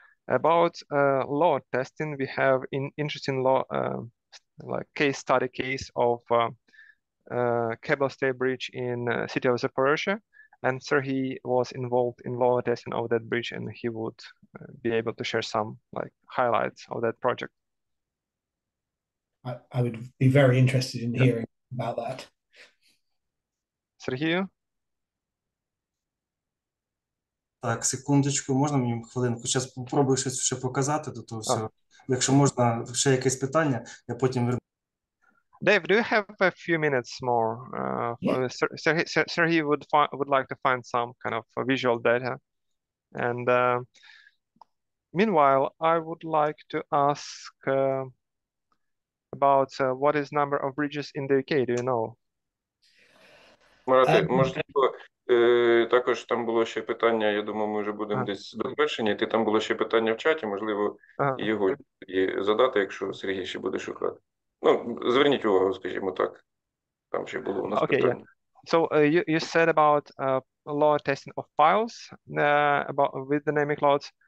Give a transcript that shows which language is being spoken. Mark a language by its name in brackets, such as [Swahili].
[English] About load testing, we have an interesting law, like case study case of cable stay bridge in city of Zaporozhye, and Serhii was involved in load testing of that bridge, and he would be able to share some like highlights of that project. I would be very interested in hearing about that. [Ukrainian] Сергію? Так, секундочку, можна мені хвилинку? Зараз спробую щось ще показати до того всього. Якщо можна, ще якесь питання, я потім вернусь. [English] Dave, do you have a few minutes more? Сергій would like to find some kind of visual data. And meanwhile, I would like to ask about what is number of bridges in the UK, do you know? [Ukrainian] Марате, можливо, Також там було ще питання, я думаю, ми вже будемо десь довершені. Ти там було ще питання в чаті, можливо, його і задати, якщо Сергій ще буде шукати. Ну, зверніть увагу, скажімо так. Там ще було у нас питання. [English] Yeah. So, you said about load testing of files about with dynamic loads.